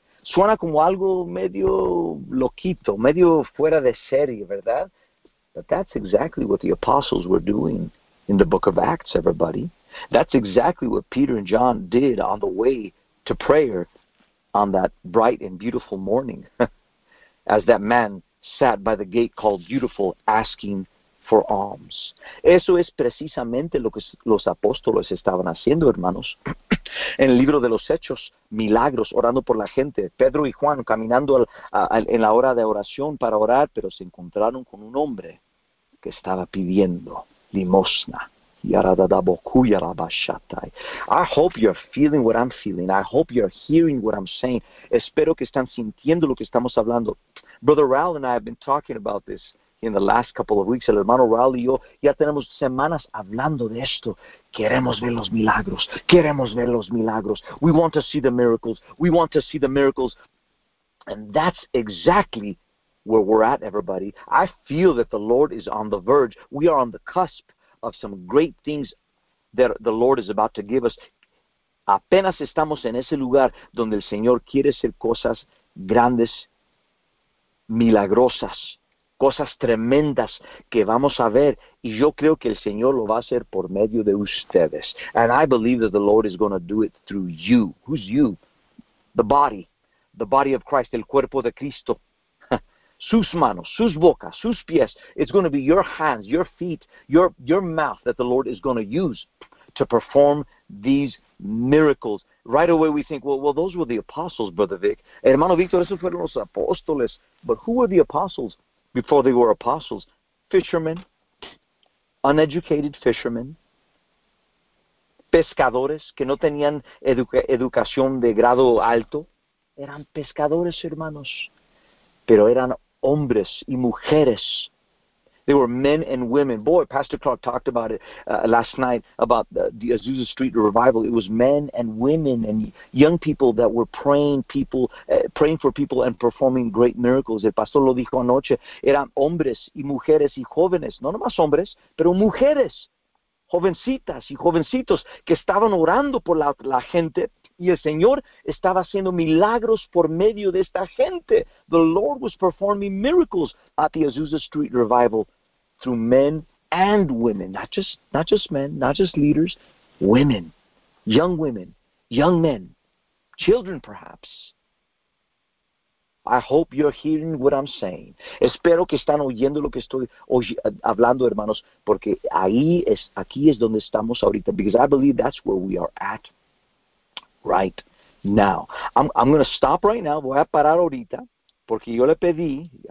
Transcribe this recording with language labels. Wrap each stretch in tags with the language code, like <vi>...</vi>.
<es>Suena como algo medio loquito, medio fuera de serie, ¿verdad?</es> <en>But that's exactly what the apostles were doing in the book of Acts, everybody. That's exactly what Peter and John did on the way to prayer on that bright and beautiful morning, as that man sat by the gate called Beautiful, asking for alms.</en> <es>Eso es precisamente lo que los apóstoles estaban haciendo, hermanos. En el libro de los Hechos, milagros, orando por la gente. Pedro y Juan caminando en la hora de oración para orar, pero se encontraron con un hombre que estaba pidiendo limosna.</es> <en>I hope you're feeling what I'm feeling. I hope you're hearing what I'm saying.</en> <es>Espero que están sintiendo lo que estamos hablando.</es> <en>Brother Raul and I have been talking about this in the last couple of weeks.</en> <es>El hermano Raul y yo ya tenemos semanas hablando de esto. Queremos ver los milagros. Queremos ver los milagros.</es> <en>We want to see the miracles. We want to see the miracles. And that's exactly where we're at, everybody. I feel that the Lord is on the verge. We are on the cusp of some great things that the Lord is about to give us.</en> <es>Apenas estamos en ese lugar donde el Señor quiere hacer cosas grandes, milagrosas, cosas tremendas que vamos a ver. Y yo creo que el Señor lo va a hacer por medio de ustedes.</es> <en>And I believe that the Lord is going to do it through you. Who's you? The body of Christ,</en> <es>el cuerpo de Cristo. Sus manos, sus bocas, sus pies.</es> <en>It's going to be your hands, your feet, your mouth that the Lord is going to use to perform these miracles. Right away we think, well, those were the apostles, Brother Vic.</en> <es>Hermano Victor, esos fueron los apóstoles.</es> <en>But who were the apostles before they were apostles? Fishermen, uneducated fishermen,</en> <es>pescadores que no tenían educación de grado alto. Eran pescadores, hermanos. Pero eran hombres y mujeres.</es> <en>They were men and women. Boy, Pastor Clark talked about it last night about the Azusa Street Revival. It was men and women and young people that were praying for people and performing great miracles.</en> <es>El pastor lo dijo anoche. Eran hombres y mujeres y jóvenes. No nomás hombres, pero mujeres. Jovencitas y jovencitos que estaban orando por la gente. Y el Señor estaba haciendo milagros por medio de esta gente.</es> <en>The Lord was performing miracles at the Azusa Street Revival through men and women. Not just men, not just leaders, women, young men, children perhaps. I hope you're hearing what I'm saying.</en> <es>Espero que están oyendo lo que estoy hablando, hermanos, porque aquí es donde estamos ahorita.</es> <en>Because I believe that's where we are at right now. I'm going to stop right now.</en> <es>Voy a parar ahorita porque yo le pedí.</es>